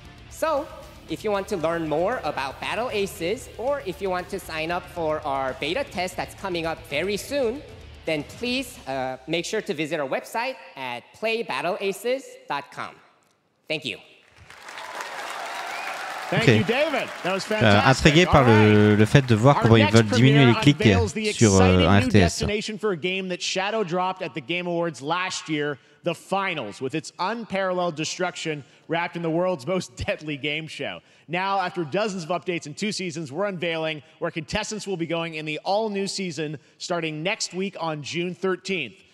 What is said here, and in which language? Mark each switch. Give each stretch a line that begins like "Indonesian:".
English: So, if you want to learn more about Battle Aces, or if you want to sign up for our beta test that's coming up very soon, then please make sure to visit our website at playbattleaces.com. Thank you. Thank you, David. That was fantastic.
French: Intrigué par le fait de voir comment ils veulent diminuer les clics sur un FTS.
English: Destination for a game that Shadow dropped at the Game Awards last year, The Finals, with its unparalleled destruction wrapped in the world's most deadly game show. Now, after dozens of updates and two seasons, we're unveiling where contestants will be going in the all-new season starting next week on June 13th.